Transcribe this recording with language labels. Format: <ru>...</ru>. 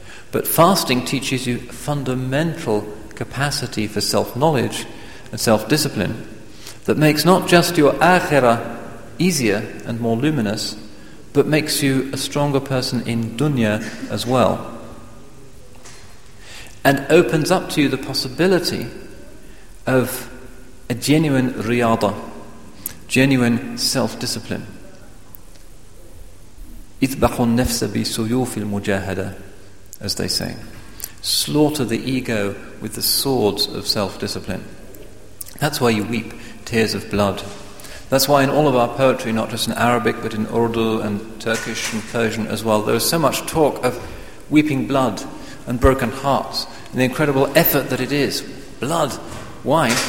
<en>But fasting teaches you fundamental capacity for self-knowledge and self-discipline that makes not just your akhirah easier and more luminous, but makes you a stronger person in dunya as well. And opens up to you the possibility of a genuine riyada, genuine self-discipline.</en> <ar>اِذْبَحُ النَّفْسَ بِسُيُوفِ الْمُجَاهَدَةِ,</ar> <en>as they say. Slaughter the ego with the swords of self-discipline. That's why you weep tears of blood. That's why in all of our poetry, not just in Arabic, but in Urdu and Turkish and Persian as well, there is so much talk of weeping blood and broken hearts, and the incredible effort that it is. Blood. Why?</en>